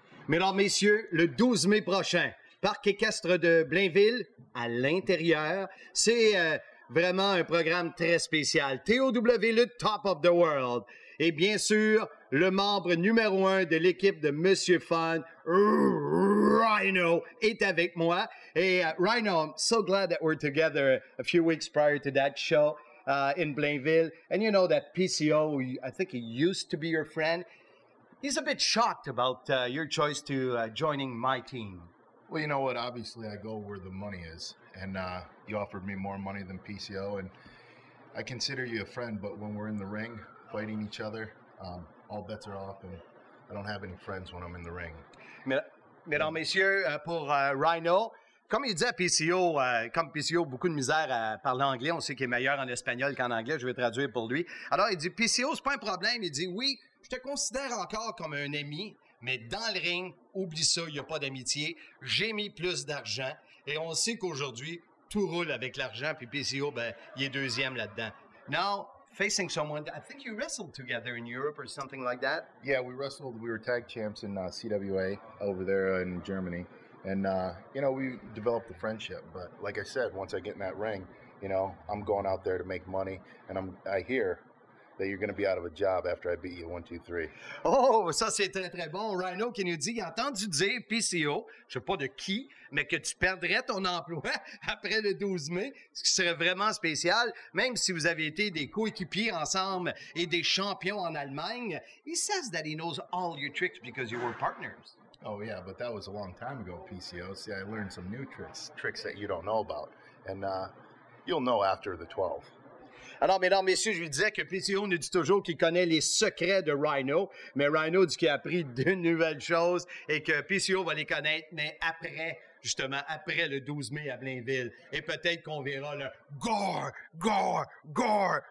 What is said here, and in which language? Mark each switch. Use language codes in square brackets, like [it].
[fr] Mesdames, messieurs, le 12 mai prochain, Parc équestre de Blainville, à l'intérieur, c'est vraiment un programme très spécial. TOW, le top of the world. Et bien sûr, le membre numéro un de l'équipe de Monsieur Fun, Rhyno, est avec moi. [en] Et Rhyno, I'm so glad that we're together a few weeks prior to that show in Blainville. And you know that PCO, I think he used to be your friend. He's a bit shocked about your choice to joining my team. Well, you know what? Obviously, I go where the money is. And you offered me more money than PCO. And I consider you a friend, but when we're in the ring fighting each other, all bets are off, and I don't have any friends when I'm in the ring. [fr] Mesdames, messieurs, pour Rhyno, comme il disait PCO, comme PCO, beaucoup de misère à parler anglais, on sait qu'il est meilleur en espagnol qu'en anglais, je vais traduire pour lui. Alors, il dit, PCO, c'est pas un problème. Il dit, oui, je te considère encore comme un ami, mais dans le ring, oublie ça, il n'y a pas d'amitié. J'ai mis plus d'argent, et on sait qu'aujourd'hui, tout roule avec l'argent, puis PCO, ben, il est deuxième là-dedans. [en] Now, facing someone, I think you wrestled together in Europe or something like that. Yeah, we wrestled. We were tag champs in CWA over there in Germany. And, you know, we developed a friendship. But like I said, once I get in that ring, you know, I'm going out there to make money. And I hear that you're going to be out of a job after I beat you 1-2-3. [fr] Oh, ça c'est très très bon. Rhyno qui nous dit, il a entendu dire PCO, je sais pas de qui, mais que tu perdrais ton emploi après le 12 mai, ce qui serait vraiment spécial, même si vous avez été des coéquipiers ensemble et des champions en Allemagne. [en] He says that he knows all your tricks because you were partners. Oh yeah, but that was a long time ago, PCO. See, I learned some new tricks that you don't know about. And you'll know after the 12th. [fr] Alors, mesdames, messieurs, je lui disais que PCO nous dit toujours qu'il connaît les secrets de Rhyno, mais Rhyno dit qu'il a appris de nouvelles choses et que PCO va les connaître, mais après, justement, après le 12 mai à Blainville. Et peut-être qu'on verra le gore, gore, gore.